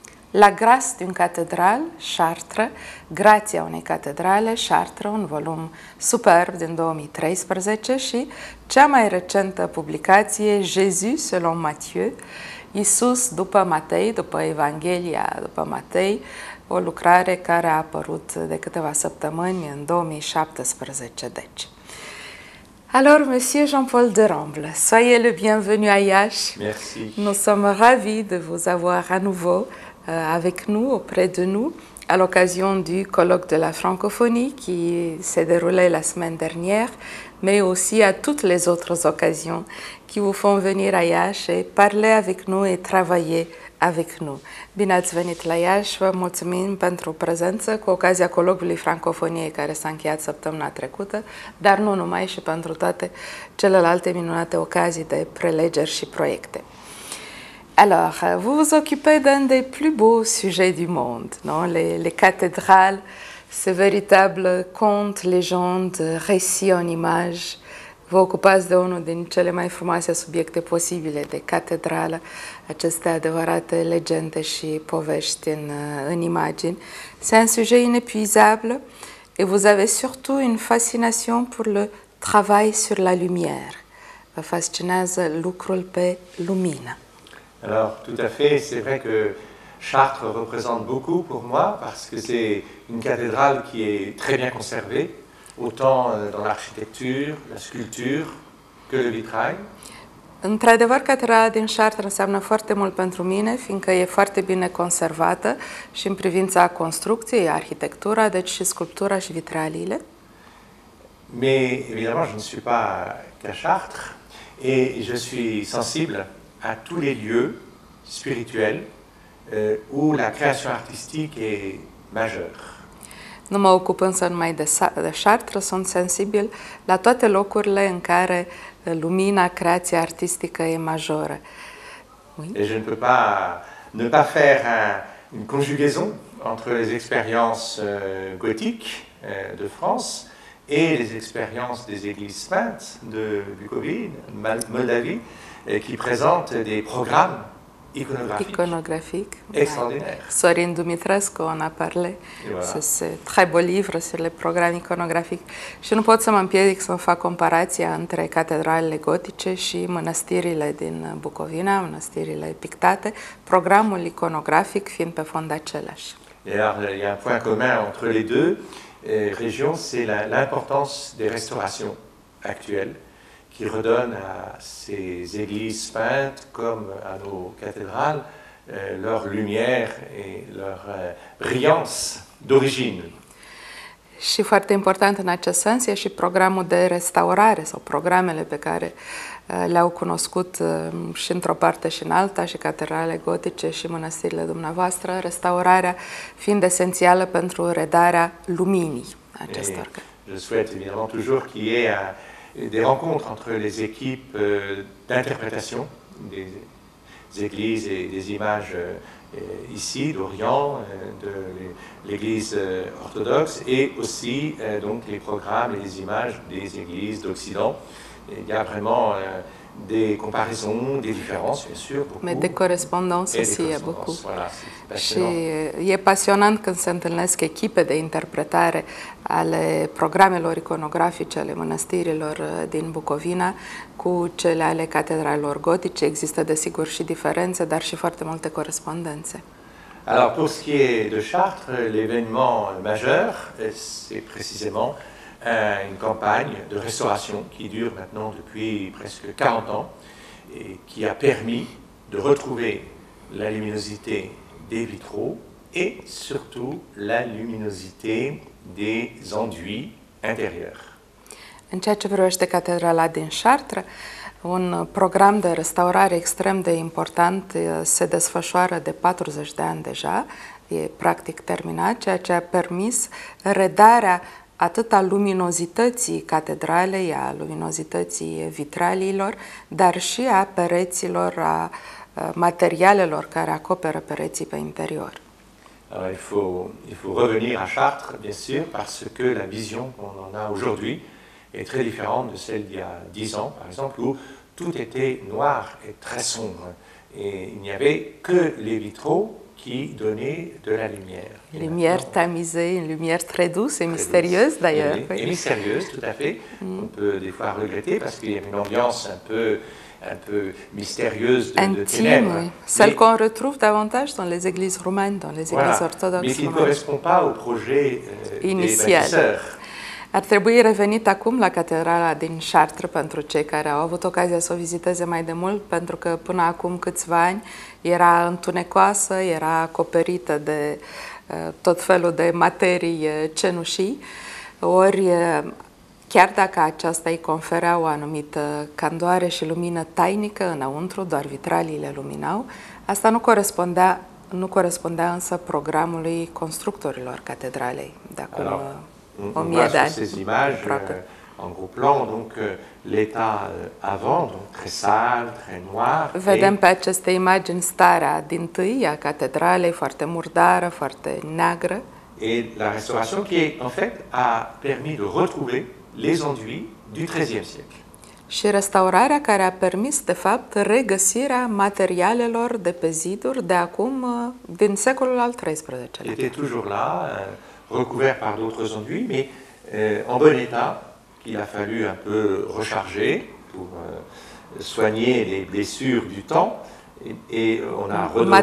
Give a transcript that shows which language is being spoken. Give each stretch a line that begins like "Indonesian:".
French: La grâce d'une catedrale,
Romanian: Chartres, Grația unei catedrale, Chartres, un volum superb din 2013, și cea mai recentă publicație,
French: Jésus selon Matthieu,
Romanian: Iisus după Matei, după Evanghelia după Matei, o lucrare care a apărut de câteva săptămâni în 2017. Deci.
French: Alors, monsieur Jean-Paul de Rombl, soyez le bienvenu à Iași. Merci. Nous sommes ravis de vous avoir à nouveau avec nous, auprès de nous, à l'occasion du colloque de la francophonie qui s'est déroulé la semaine dernière, mais aussi à toutes les autres occasions qui vous font venir à Iași et parler avec nous et travailler avec nous.
Romanian: Bine ați venit la Iași, vă mulțumim pentru prezență cu ocazia colloquiului francophonie care s-a încheiat săptămâna trecută, dar nu numai, și pentru toate celelalte minunate ocazii de prelegeri și proiecte.
French: Alors, vous vous occupez d'un des plus beaux sujets du monde, non? Les cathédrales, ces véritables contes, légendes, récits en images. Vous occupez de
Romanian: unul din cele mai frumoase subiecte posibile de catedrală, aceste adevărate legende și povești în imagine.
French: C'est un sujet inépuisable et vous avez surtout une fascination pour le travail sur la lumière.
Romanian: Vă fascinează lucrul pe lumină.
French: Alors, tout à fait, c'est vrai que Chartres représente beaucoup pour moi parce que c'est une cathédrale qui est très bien conservée, autant dans l'architecture, la sculpture que le vitrail.
Romanian: Într-adevăr, catedrala din Chartres înseamnă foarte mult pentru mine, fiindcă e foarte bine conservată și în privința construcției, arhitectura, deci și sculptura și vitraliile.
French: Mais évidemment, je ne suis pas qu'à Chartres et je suis sensible à tous les lieux spirituels où la création artistique est majeure.
Romanian: Nu mă ocup însă numai de Chartres, sunt sensibil la toate locurile în care lumina, creația artistică e majoră.
French: Oui? Et je ne peux pas ne pas faire une conjugaison entre les expériences gothiques de France et les expériences des églises saintes de Bucovine, Moldavie, qui présente des programmes iconographiques extraordinaires. Sorin Dumitrescu en a parlé. C'est ce très beau livre sur les programmes iconographiques.
Romanian: Și nu pot să mă împiedic să fac comparația între catedralele gotice și mănăstirile din Bucovina, mănăstirile pictate, programul iconografic fiind pe fond același.
French: D'ailleurs, il y a un point commun entre les deux régions, c'est l'importance des restaurations actuelles qui redonne à ces églises peintes, comme à nos cathédrales, leur lumière et leur brillance d'origine.
Romanian: Și foarte important în acest sens e și programul de restaurare sau programele pe care le-au cunoscut și într-o parte și în alta, și catedrale gotice și mănăstirile dumneavoastră, restaurarea fiind esențială pentru redarea luminii acestor.
French: Je souhaite évidemment toujours qu'il y ait des rencontres entre les équipes d'interprétation des églises et des images ici d'Orient, de l'église orthodoxe, et aussi donc les programmes et les images des églises d'Occident. Il y a vraiment des comparaisons, des différences, bien sûr, beaucoup. Mais des correspondances aussi, il y a beaucoup. Voilà,
Romanian: și e pasionant când se întâlnesc echipe de interpretare ale programelor iconografice ale mănăstirilor din Bucovina cu cele ale catedralelor gotice. Există, desigur, și diferențe, dar și foarte multe corespondențe.
French: Alors, pour ce qui est de Chartres, l'événement majeur, c'est précisément une campagne de restauration qui dure maintenant depuis presque 40 ans et qui a permis de retrouver la luminosité des vitraux et surtout la luminosité des enduits intérieurs.
Romanian: În ceea ce privește catedrala din Chartres, un program de restaurare extrem de important se desfășoară de 40 de ani deja, e practic terminat, ceea ce a permis redarea atât a luminozității catedralei, a luminozității vitraliilor, dar și a pereților, a materialelor care acoperă pereții pe interior.
French: Alors, il faut revenir à Chartres, bien sûr, parce que la vision qu'on en a aujourd'hui est très différente de celle d'il y a 10 ans, par exemple, où tout était noir et très sombre. Et il n'y avait que les vitraux qui donnaient de la lumière. Lumière tamisée, une lumière très douce et mystérieuse, d'ailleurs. Et mystérieuse, tout à fait. Mm. On peut des fois regretter parce qu'il y avait une ambiance un peu mystérieuse de ténèbres. Oui. Celle qu'on retrouve davantage dans les églises romaines, dans les églises orthodoxes. Mais qui ne correspond pas au projet initial des bâtisseurs.
Romanian: Ar trebui revenit acum la catedrala din Chartres pentru cei care au avut ocazia să o viziteze mai de mult, pentru că până acum câțiva ani era întunecoasă, era acoperită de tot felul de materii cenușii, ori chiar dacă aceasta îi conferea o anumită candoare și lumină tainică înăuntru, doar vitraliile luminau, asta nu corespundea însă programului constructorilor catedralei de acum.
French: Alors, on voit sur ces images en gros plan donc l'état avant donc très sale, très noir.
Romanian: Vedem pe aceste imagini starea dintâi a catedralei, foarte murdară, foarte neagră.
French: Et la restauration qui en fait a permis de retrouver les enduits du XIIIe siècle.
Romanian: Și restaurarea care a permis de fapt regăsirea materialelor de pe ziduri de acum din secolul al XIII-lea.
French: Était toujours là recouvert par d'autres enduits, mais en bon état, qu'il a fallu un peu recharger pour soigner les blessures du temps, et on a redoré.